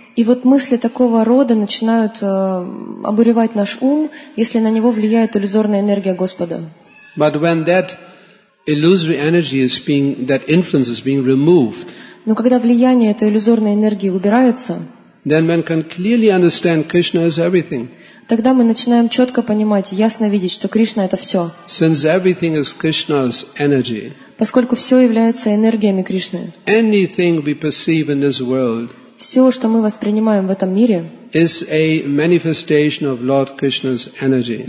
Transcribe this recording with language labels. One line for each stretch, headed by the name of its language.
Russian: И вот мысли такого рода начинают обуревать наш ум, если на него влияет иллюзорная энергия Господа.
English: But when that illusory energy is being, that influence is being removed.
Russian: Но когда влияние этой иллюзорной энергии убирается,
English: then one can clearly understand Krishna is everything.
Russian: Тогда мы начинаем четко понимать, ясно видеть, что Кришна это все.
English: Since everything is Krishna's energy.
Russian: Поскольку все является энергиями Кришны.
English: Anything we perceive in this world.
Russian: Все, что мы воспринимаем в этом мире,
English: is a manifestation of Lord Krishna's energy.